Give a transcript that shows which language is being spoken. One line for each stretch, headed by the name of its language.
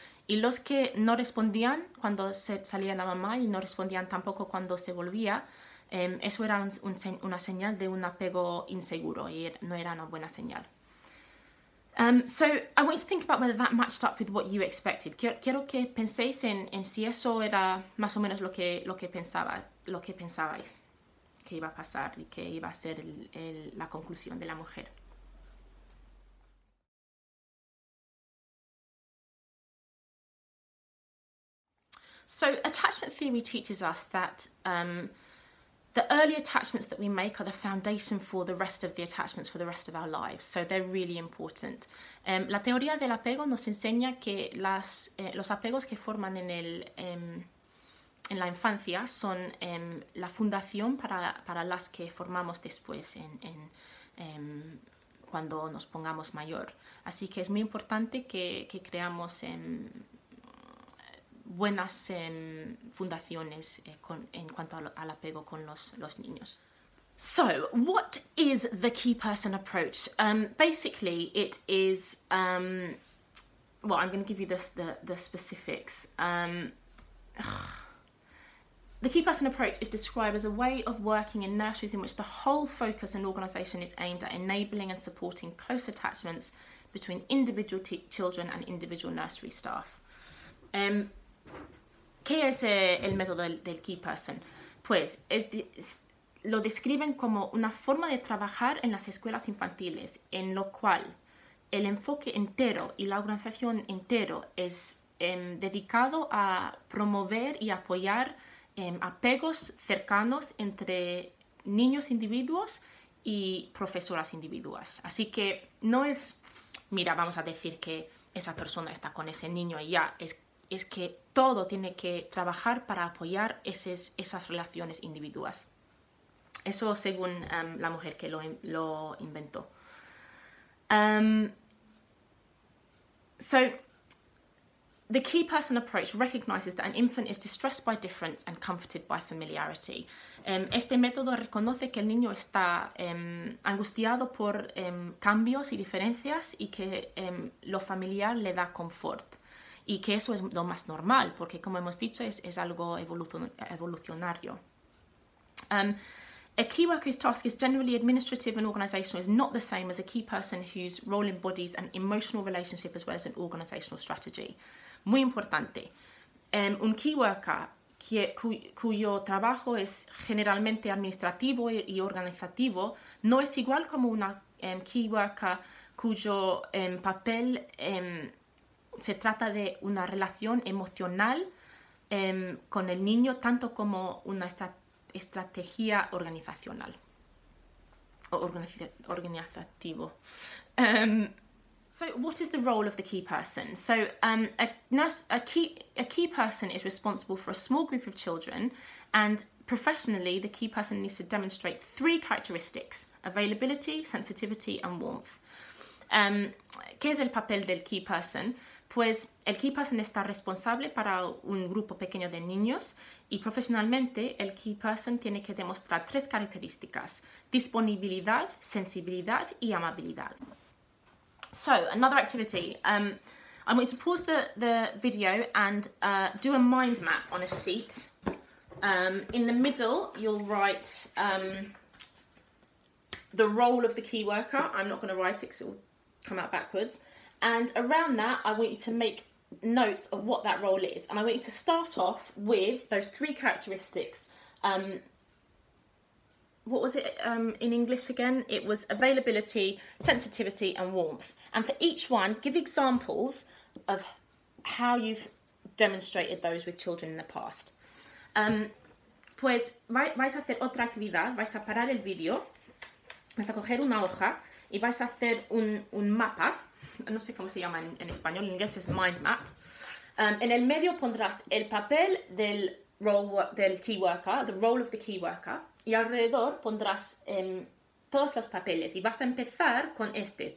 Spanish: Y los que no respondían cuando salía la mamá y no respondían tampoco cuando se volvía, eso era una señal de un apego inseguro y no era una buena señal.
English: So I want you to think about whether that matched up with what you expected.
Spanish: Quiero que penséis en si eso era más o menos lo que pensabais que iba a pasar y que iba a ser la conclusión de la mujer.
English: So attachment theory teaches us that the early attachments that we make are the foundation for the rest of the attachments for the rest of our lives. So they're really important.
Spanish: La teoría del apego nos enseña que los apegos que forman en el en la infancia son la fundación para las que formamos después en cuando nos pongamos mayor. Así que es muy importante que creamos buenas fundaciones en cuanto al apego con los niños.
English: So, what is the key person approach? Basically, it is... I'm going to give you the specifics. The key person approach is described as a way of working in nurseries in which the whole focus and organisation is aimed at enabling and supporting close attachments between individual children and individual nursery staff.
Spanish: ¿Qué es el método del key person? Pues lo describen como una forma de trabajar en las escuelas infantiles, en lo cual el enfoque entero y la organización entero es dedicado a promover y apoyar apegos cercanos entre niños individuos y profesoras individuas. Así que no es, mira, vamos a decir que esa persona está con ese niño y ya, es que todo tiene que trabajar para apoyar esas relaciones individuas. Eso según la mujer que lo inventó.
English: So the key person approach recognises that an infant is distressed by difference and comforted by familiarity.
Spanish: Este método reconoce que el niño está angustiado por cambios y diferencias y que lo familiar le da confort. Y que eso es lo más normal, porque como hemos dicho, es algo evolucionario.
English: A key worker's task is generally administrative and organisational, is not the same as a key person whose role embodies an emotional relationship as well as an organisational strategy.
Spanish: Muy importante. Un key worker cuyo trabajo es generalmente administrativo y organizativo no es igual como una key worker cuyo papel se trata de una relación emocional con el niño, tanto como una estrategia organizacional o organizativo.
English: So what is the role of the key person? So a key person is responsible for a small group of children, and professionally the key person needs to demonstrate three characteristics: availability, sensitivity and warmth.
Spanish: ¿Qué es el papel del key person? Pues el key person está responsable para un grupo pequeño de niños y profesionalmente el key person tiene que demostrar tres características: disponibilidad, sensibilidad y amabilidad.
English: So, another activity. I'm going to pause the video and do a mind map on a sheet. In the middle, you'll write the role of the key worker. I'm not going to write it because it will come out backwards. And around that, I want you to make notes of what that role is. And I want you to start off with those three characteristics. What was it in English again? It was availability, sensitivity, and warmth. And for each one, give examples of how you've demonstrated those with children in the past.
Spanish: Pues vais a hacer otra actividad, vais a parar el vídeo, vais a coger una hoja y vais a hacer un mapa. No sé cómo se llama en español, en inglés es mind map. En el medio pondrás el papel del key worker,
English: the role of the key worker,
Spanish: y alrededor pondrás todos los papeles y vas a empezar con este.